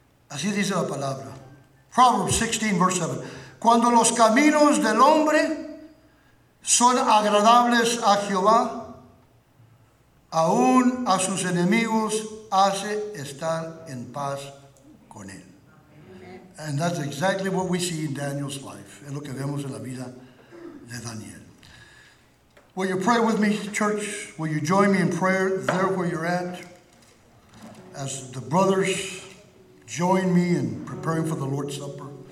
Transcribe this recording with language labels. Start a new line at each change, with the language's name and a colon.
Spanish: Así dice la palabra.
English: Proverbs 16, verse 7.
Spanish: Cuando los caminos del hombre son agradables a Jehová, aún a sus enemigos hace estar en paz con él.
English: Amen. And that's exactly what we see in Daniel's life.
Spanish: Es lo que vemos en la vida de Daniel.
English: Will you pray with me, church? Will you join me in prayer there where you're at? As the brothers join me in preparing for the Lord's Supper.